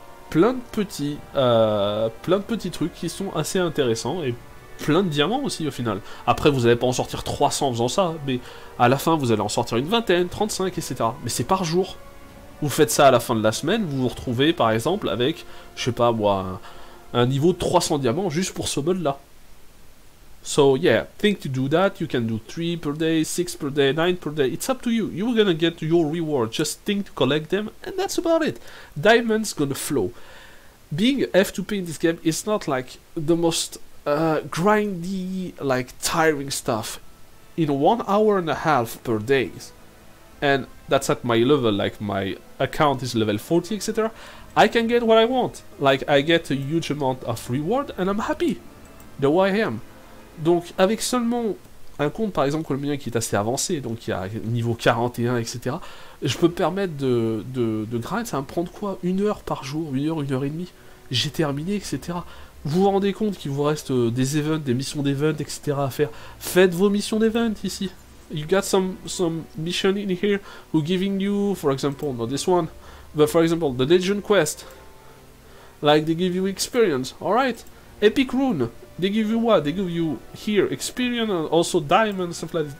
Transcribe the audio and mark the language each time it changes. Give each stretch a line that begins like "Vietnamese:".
French: plein de petits trucs qui sont assez intéressants et plein de diamants aussi au final. Après, vous n'allez pas en sortir 300 en faisant ça, mais à la fin, vous allez en sortir une vingtaine, 35, etc. Mais c'est par jour. Vous faites ça à la fin de la semaine, vous vous retrouvez par exemple avec, je sais pas moi, un niveau de 300 diamants juste pour ce mode là.
English: So yeah, think to do that, you can do 3 per day, 6 per day, 9 per day, it's up to you. You're gonna get your reward, just think to collect them, and that's about it. Diamonds gonna flow. Being F2P in this game is not like the most grindy, like tiring stuff. In 1.5 hours per day, and that's at my level, like my account is level 40, etc. I can get what I want. Like, I get a huge amount of reward, and I'm happy. The way I am.
French: Donc, avec seulement un compte, par exemple, comme le mien, qui est assez avancé, donc il y a niveau 41, etc., je peux me permettre de grind, ça va me prendre quoi? Une heure par jour, une heure et demie. J'ai terminé, etc. Vous vous rendez compte qu'il vous reste des events, des missions d'event, etc. à faire. Faites vos missions d'event, ici.
English: You got some mission in here who giving you, for example, not this one, but for example, the Legion quest. Like, they give you experience, alright? Epic rune. They give you what? They give you here experience and also diamonds, stuff like that.